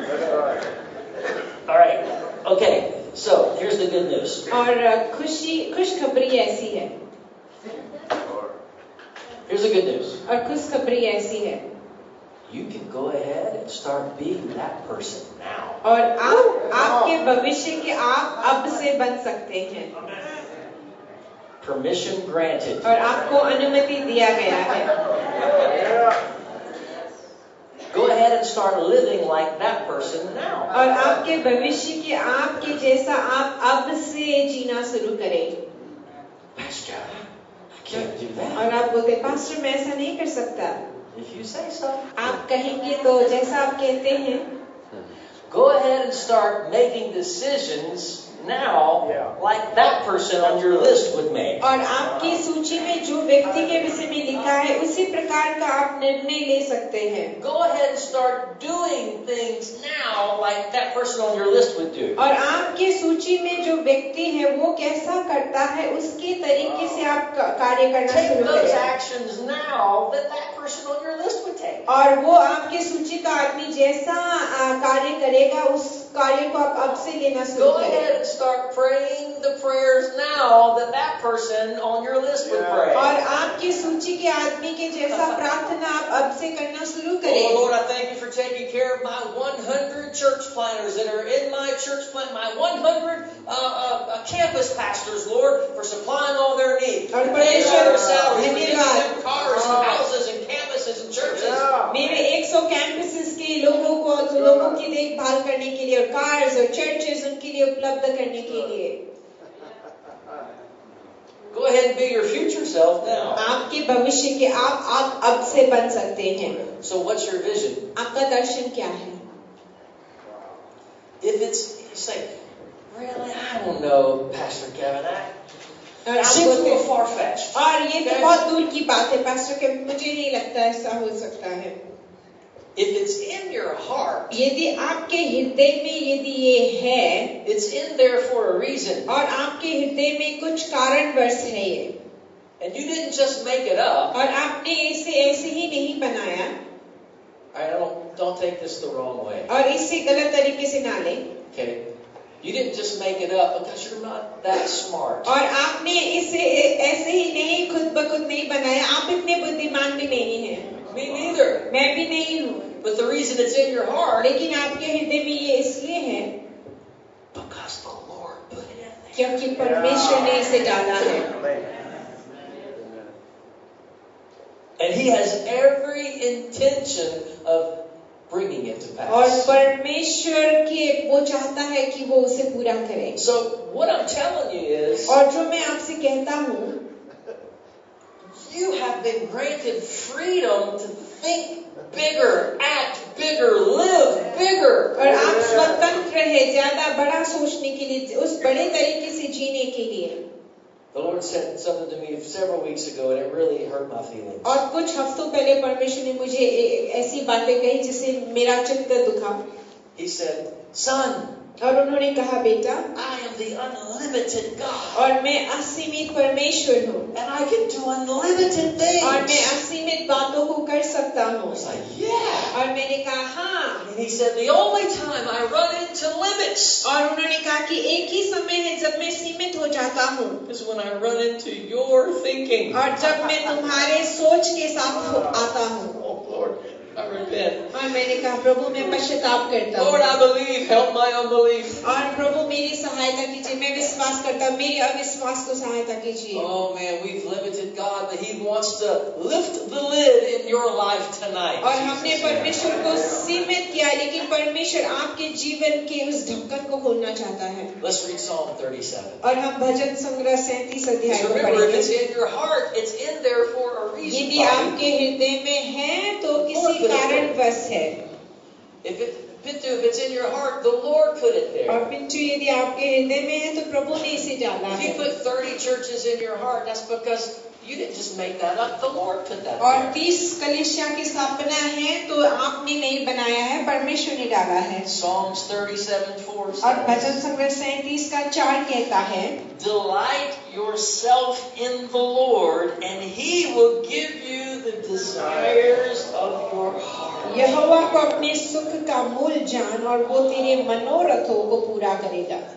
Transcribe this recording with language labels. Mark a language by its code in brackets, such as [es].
[en] Okay, so here's the good news. [hi] और खुशखबरी ऐसी है. [en] Here's the good news. [hi] और खुशखबरी ऐसी है. [en] You can go ahead and start being that person now. [hi] और आप आपके भविष्य के आप अब से बन सकते हैं. [en] Permission granted. [hi] और आपको अनुमति दिया गया है. [en] Go ahead and start living like that person now. [hi] और आपके भविष्य के आपके जैसा आप अब से जीना शुरू करें. [en] Pastor, I can't do that. [hi] और आप बोलते पास्टर मैं ऐसा नहीं कर सकता. [en] If you say so. [hi] आप कहेंगे तो जैसा आप कहते हैं. [en] Go ahead and start making decisions now, yeah, like that person on your list would make. [hi] और आपकी सूची में जो व्यक्ति के विषय में लिखा है उसी प्रकार का आप निर्णय ले सकते हैं. [en] Go ahead and start doing things now, like that person on your list would do. [hi] और आपके सूची में जो व्यक्ति है वो कैसा करता है उसके तरीके से आप कार्य करना शुरू करें. [en] Take those actions now that that person on your list would take. [hi] और वो आपके सूची का आदमी जैसा कार्य करेगा उस कार्य को आप अब से लेना शुरू करें. [en] Go ahead and start praying the prayers now that that person on your list would pray. [hi] और आपकी सूची के आदमी के जैसा प्रार्थना आप अब से करना शुरू करें. [en] Oh Lord, I thank you for taking care of my 100 church planters that are in my church plant, my 100 campus pastors, Lord, for supplying all their needs. [hi] और परमेश्वर [en] cars and houses and campuses and churches. [hi] मेरे 100 campuses के लोगों को लोगों की देखभाल करने के लिए और cars और churches उनके लिए उपलब्ध करने के लिए. [en] Go ahead and be your future self now. [hi] आपके भविष्य के आप अब से बन सकते हैं. [en] So what's your vision? [hi] आपका दर्शन क्या है? [en] If it's say, really, I don't know, Pastor Kevin, it seems a little far-fetched. [hi] और ये तो बहुत दूर की बात है, Pastor Kevin. मुझे नहीं लगता ऐसा हो सकता है. [en] If it's in your heart, [hi] यदि आपके हृदय में यदि ये है, [en] it's in there for a reason. [hi] और आपके हृदय में कुछ कारणवश है ये. [en] And you didn't just make it up. [hi] और आपने इसे ऐसे ही नहीं बनाया. [en] I don't take this the wrong way. [hi] और इसे गलत तरीके से ना लें. [en] Okay. You didn't just make it up because you're not that smart. [hi] और आपने इसे ऐसे ही नहीं खुद ब खुद नहीं बनाया. आप इतने बुद्धिमान भी नहीं हैं. [en] Me neither. [hi] मैं भी नहीं हूँ. [en] But the reason it's in your heart. [hi] लेकिन आपके हृदय में ये इसलिए है. [en] Because the Lord put it in. [hi] क्योंकि परमेश्वर ने इसे डाला है. [en] And He has every intention of bringing it to pass. [hi] और परमेश्वर के वो चाहता है कि वो उसे पूरा करे. [en] So what I'm telling you is. [hi] और जो मैं आपसे कहता हूँ. [en] You have been granted freedom to think bigger, act bigger, live bigger. [hi] और आप स्वतंत्र हैं ज्यादा बड़ा सोचने के लिए उस बड़े तरीके से जीने के लिए. [en] The Lord said something to me several weeks ago, and it really hurt my feelings. [hi] और कुछ हफ्तों पहले परमेश्वर ने मुझे ऐसी बातें कही जिससे मेरा चित्त दुखा. [en] He said, "Son." [hi] और उन्होंने कहा, बेटा. [en] I am the unlimited God. [hi] और मैं असीमित परमेश्वर हूँ. [en] And I can do unlimited things. [hi] और मैं असीमित बातों को कर सकता हूँ. [en] I was like, "Yeah." [hi] और मैंने कहा, हाँ. [en] And He said, "The only time I run into limits." [hi] और उन्होंने कहा कि एक ही समय है जब मैं सीमित हो जाता हूँ. [en] Is when I run into your thinking. [hi] और जब मैं तुम्हारे सोच के साथ आता हूँ. मैंने कहा प्रभु मैं पश्चाताप करता हूँ. [en] Lord, I believe. Help my unbelief. [hi] और प्रभु मेरी सहायता कीजिए. मैं विश्वास करता हूँ. मेरी अविश्वास को सहायता कीजिए. [en] Oh man, we've limited God, but He wants to lift the lid in your life tonight. [hi] और हमने परमेश्वर को सीमित किया, लेकिन परमेश्वर आपके जीवन के उस ढक्कन को खोलना चाहता है. [en] Let's read Psalm 37. [hi] और हम भजन संग्रह 37 अध्याय को पढ़ेंगे. [en] Remember, it's in your heart. It's in there for a reason. [hi] यदि आपके हृदय में है, तो किसी और पिंटू यदि आपके हृदय में है तो प्रभु ने इसे जाना है. [en] If you put 30 churches in your heart, that's because you didn't just make that up. The Lord put that. [hi] और 30 कलीसिया की स्थापना है तो आपने नहीं बनाया है, परमेश्वर ने डाला है. [en] Psalms 37:4. [hi] और भजन संग्रह 37 का 4 कहता है. [en] Delight yourself in the Lord, and He will give you the desires of your heart. [hi] यहोवा को अपने सुख का मूल जान और वो तेरे मनोरथों को पूरा करेगा.